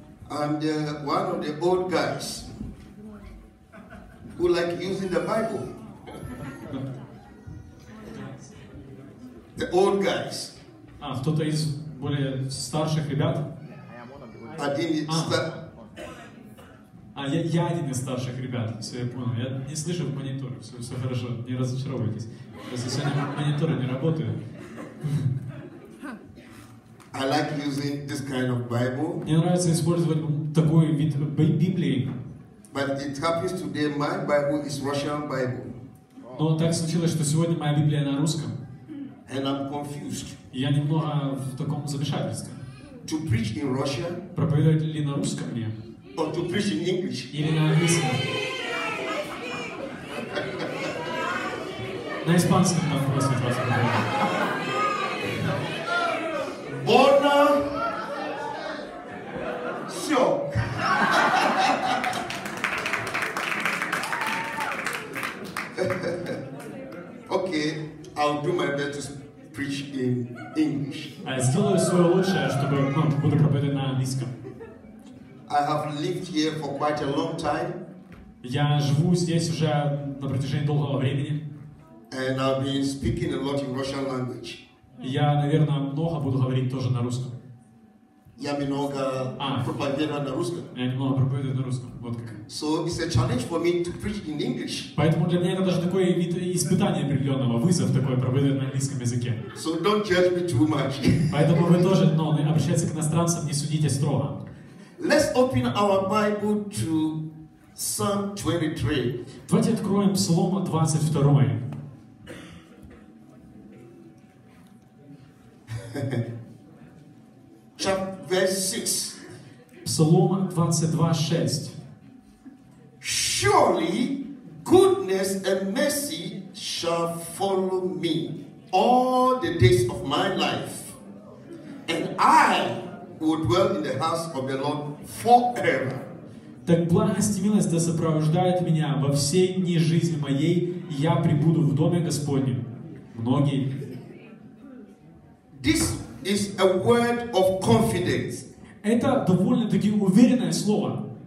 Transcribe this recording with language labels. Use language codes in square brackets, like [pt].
[en] I'm the one of the old guys who like using the Bible. The old guys. [ru] А кто-то из более старших ребят? Я один из старших ребят. Все, я понял. Я не слышу в мониторе. Все хорошо. Не разочаровывайтесь. Если сегодня мониторы не работают. [en] I like using this kind of Bible. [ru] Мне нравится использовать такой вид Библии. [en] But it happens today my Bible is Russian Bible. [ru] Но так случилось, что сегодня моя Библия на русском. [en] And I'm confused. [ru] Я немного в таком замешательстве. [en] To preach in Russian? [ru] Проповедовать ли на русском мне? [en] Or to preach in English? [ru] Или на английском? На испанском надо просить вас. [es] Bona Sio. [en] Okay, I'll do my best to preach in English. [ru] Я сделаю своё лучшее, чтобы буду проповедовать на английском. [en] I have lived here for quite a long time. [ru] Я живу здесь уже на протяжении долгого времени. [en] And I've been speaking a lot in Russian language. [ru] Я, наверное, много буду говорить тоже на русском. Я немного проповедую на русском. Я немного проповедую на русском, вот как. [en] So it's a challenge for me to preach in English. [ru] Поэтому для меня это даже такое вид испытание определенного, вызов такой, проповедовать на английском языке. [en] So don't judge me too much. [ru] Поэтому вы тоже, обращайтесь к иностранцам, не судите строго. [en] Let's open our Bible to Psalm 23. [ru] Давайте откроем Псалом 22. [en] Verse 6. Psalm 22:6. Surely goodness and mercy shall follow me all the days of my life, and I will dwell in the house of the Lord forever. [ru] Так благость и милость да сопровождают меня во все дни жизни моей, и я пребуду в доме Господнем. Многие. [en] This is a word of confidence. [ru] Это довольно-таки уверенное слово.